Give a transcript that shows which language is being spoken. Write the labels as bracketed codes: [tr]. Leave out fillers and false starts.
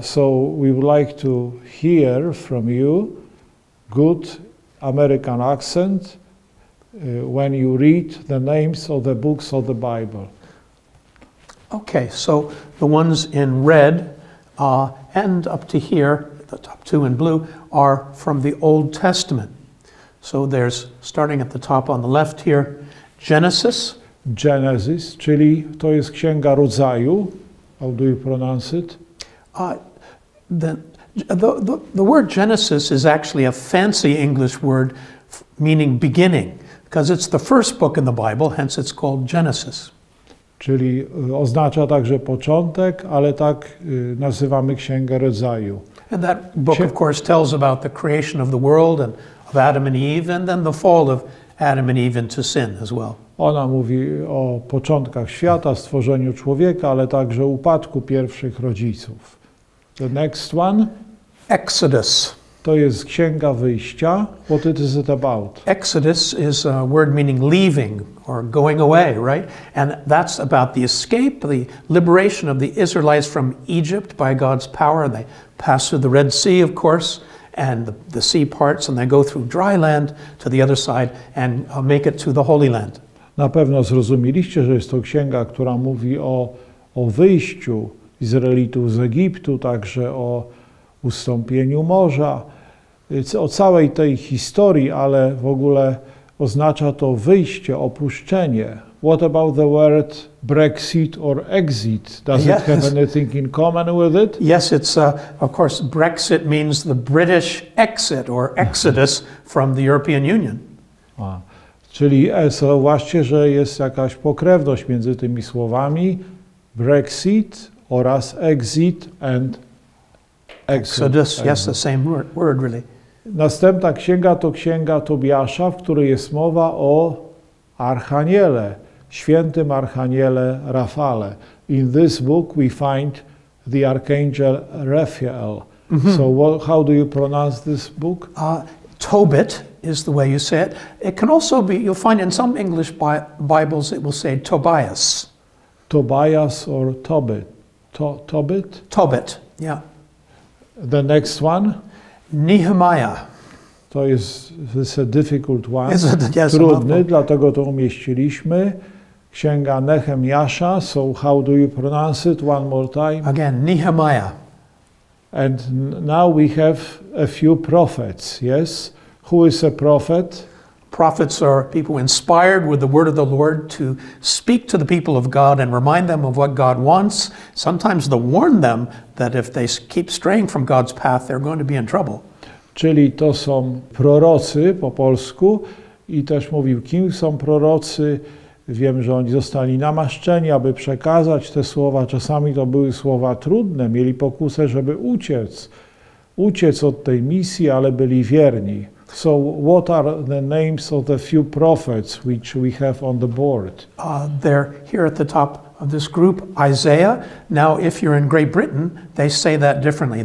[en] So we would like to hear from you good American accent when you read the names of the books of the Bible. Okay, so the ones in red and up to here, the top two in blue, are from the Old Testament. So there's, starting at the top on the left here, Genesis. [pl] Genesis, czyli to jest Księga Rodzaju. [en] How do you pronounce it? The word Genesis is actually a fancy English word meaning beginning, because it's the first book in the Bible, hence it's called Genesis. [pl] Czyli oznacza także początek, ale tak nazywamy Księgę Rodzaju. [en] And that book, of course, tells about the creation of the world and of Adam and Eve, and then the fall of Adam and Eve into sin as well. [pl] Ona mówi o początkach świata, stworzeniu człowieka, ale także upadku pierwszych rodziców. [en] The next one. Exodus. [pl] To jest Księga Wyjścia. [en] What is it about? Exodus is a word meaning leaving or going away, right? And that's about the escape, the liberation of the Israelites from Egypt by God's power. They pass through the Red Sea, of course, and the sea parts, and they go through dry land to the other side and make it to the Holy Land. [pl] Na pewno zrozumieliście, że jest to księga, która mówi o wyjściu Izraelitów z Egiptu, także o ustąpieniu morza, o całej tej historii, ale w ogóle oznacza to wyjście, opuszczenie. [en] What about the word Brexit or exit? Does yes. it have anything in common with it? Yes, it's of course Brexit means the British exit or exodus from the European Union. A, [pl] czyli właśnie, że jest jakaś pokrewność między tymi słowami Brexit oraz exit and [en] Exodus, yes, the same word really. [pl] Następna księga to Księga Tobiasza, w której jest mowa o Archaniele, świętym Archaniele Rafale. [en] In this book we find the Archangel Raphael. Mm-hmm. So how do you pronounce this book? Tobit is the way you say it. It can also be, you'll find in some English Bibles it will say Tobias. Tobias or Tobit. Tobit. Tobit, yeah. The next one? Nehemiah. [pl] To jest, [en] this is a difficult one. Yes, yes, [pl] trudny, dlatego to umieściliśmy. Księga Nehemiasza. [en] So how do you pronounce it one more time? Again, Nehemiah. And now we have a few prophets, yes? Who is a prophet? Prophets are people inspired with the word of the Lord to speak to the people of God and remind them of what God wants, sometimes to warn them that if they keep straying from God's path, they're going to be in trouble. [pl] Czyli to są prorocy po polsku i też mówił, kim są prorocy. Wiem, że oni zostali namaszczeni, aby przekazać te słowa. Czasami to były słowa trudne, mieli pokusę, żeby uciec od tej misji, ale byli wierni. [en] So what are the names of the few prophets which we have on the board? They're here at the top of this group, Isaiah. Now, if you're in Great Britain, they say that differently.